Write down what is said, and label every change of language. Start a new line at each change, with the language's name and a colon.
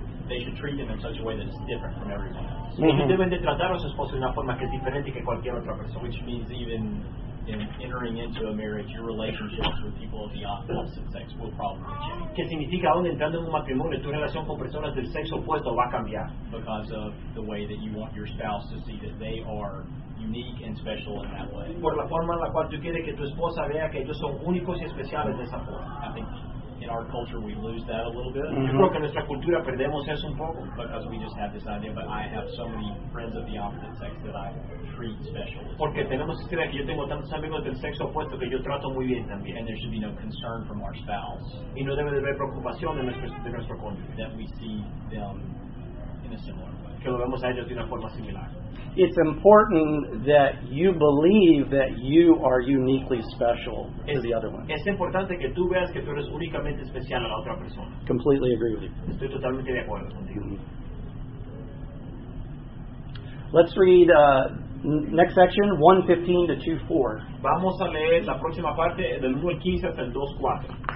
English: They should treat them in such a way that is different from everyone else.
Spanish: Ellos deben de tratar a su esposo de una forma que es diferente que cualquier otra persona.
English: Which means even in entering into a marriage, your relationships with people of the opposite sex will probably change.
Spanish: Que significa aún entrando en un matrimonio, tu relación con personas del sexo opuesto va a cambiar.
English: Because of the way that you want your spouse to see that they are unique and special in that way.
Spanish: Por la forma en la cual tú quieres que tu esposa vea que ellos son únicos y especiales de esa forma.
English: I think in our culture we lose that a little bit.
Spanish: Yo creo que en nuestra cultura perdemos eso un poco.
English: Because we just have this idea, but I have so many friends of the opposite sex that I treat special.
Spanish: Porque tenemos esta idea que yo tengo tantos amigos del sexo opuesto que yo trato muy bien también.
English: And there should be no concern from our spouse.
Spanish: Y no debe de haber preocupación de nuestro cónyuge.
English: That we see them in a similar way.
Spanish: Que lo vemos a ellos de una forma similar.
English: It's important that you believe that you are uniquely special to the other one.
Spanish: Es importante que tú veas que tú eres únicamente especial a la otra persona.
English: Completely agree with you.
Spanish: Estoy totalmente de acuerdo contigo.
English: Let's read next section, 1:15 to 2:4.
Spanish: Vamos a leer la próxima parte del 1:15 hasta el 2:4.